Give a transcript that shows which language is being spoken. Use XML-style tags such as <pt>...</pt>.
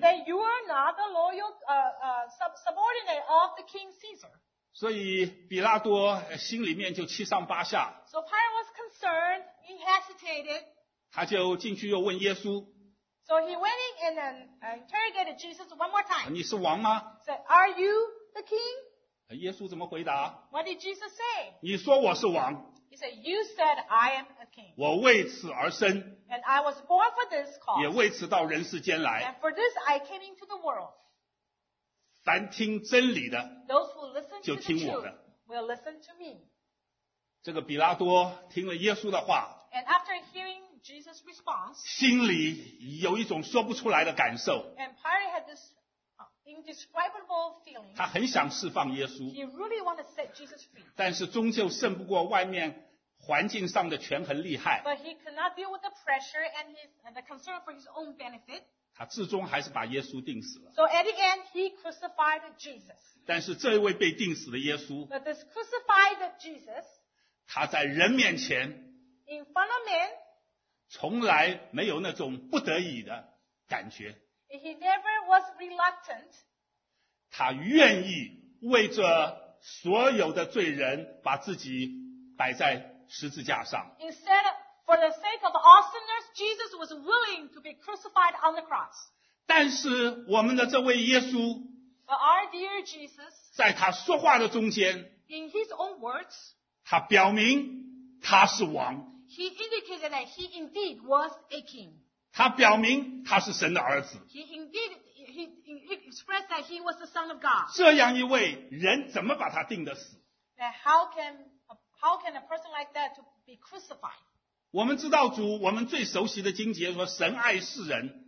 <en>Then you are not the loyal, subordinate of the king Caesar.</en> <zh>所以比拉多心里面就七上八下。</zh> <en>So Pilate was concerned, he hesitated.</en> <zh>他就进去又问耶稣。</zh> <en>So he went in and interrogated Jesus one more time.</en> <zh>你是王吗？</zh> <en>Said, are you the king?</en> <zh>耶稣怎么回答？</zh> <en>What did Jesus say?</en> <zh>你说我是王。</zh> <en>He said, you said I am a king.</en> <zh>我为此而生。</zh> <en>And I was born for this cause.</en> <zh>也为此到人世间来。</zh> <en>And for this I came into the world.</en> <zh>凡听真理的</zh> <en>Those who listen</en> <zh>就听我的</zh> <en>will listen to me.</en> <zh>这个比拉多听了耶稣的话</zh> <en>And after hearing Jesus' response,</en> <zh>心里有一种说不出来的感受</zh> <en>And Pilate had this indescribable feeling,</en> <zh>他很想释放耶稣</zh> <en>He really wanted to set Jesus free.</en> <zh>但是终究胜不过外面环境上的权衡利害</zh> <en>But he could not deal with the pressure and, the concern for his own benefit.</en> <zh>他至终还是把耶稣钉死了。</zh> <en>So at the end, he crucified Jesus.</en> <zh>但是这一位被钉死的耶稣</zh> <en>But this crucified Jesus,</en> <zh>他在人面前</zh> <en>in front of men,</en> <zh>从来没有那种不得已的感觉。</zh> <en>He never was reluctant.</en> <zh>他愿意为这所有的罪人把自己摆在十字架上。</zh> <en>Instead of,For the sake of all sinners, Jesus was willing to be crucified on the cross.</en> <zh>但是我们的这位耶稣</zh> <en>But our dear Jesus,</en> <zh>在他说话的中间</zh> <en>in his own words,</en> <zh>他表明他是王</zh> <en>He indicated that he indeed was a king.</en> <zh>他表明他是神的儿子</zh> <en>he expressed that he was the son of God.</en> <zh>这样一位人怎么把他定的死</zh> <en>That how can a person like that to be crucified?</en> <zh>我们知道主我们最熟悉的经节说神爱世人</zh>